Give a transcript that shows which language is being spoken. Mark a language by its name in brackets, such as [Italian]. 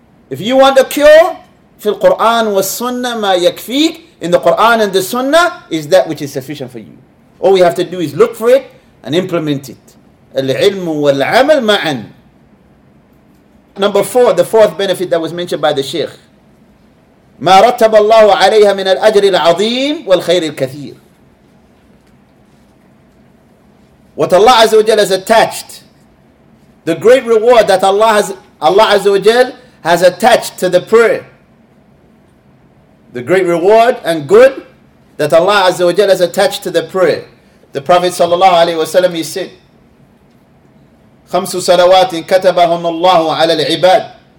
[English] If you want a cure, [Arabic] في القرآن والسنة ما يكفيك, [English] in the Quran and the Sunnah is that which is sufficient for you. All we have to do is look for it and implement it. [Arabic] العلم والعمل معا. [English] Number four, the fourth benefit that was mentioned by the Sheikh. [Arabic] ما رتب الله عليها من الأجر العظيم والخير الكثير. [English] What Allah Azza wa Jal has attached, the great reward that Allah Azza wa Jal has attached to the prayer. The great reward and good that Allah Azza wa Jal has attached to the prayer. The Prophet sallallahu alaihi wasallam, he said, [Arabic] خَمْسُ صَلَوَاتٍ كَتَبَهُمُ اللَّهُ عَلَى الْعِبَادِ.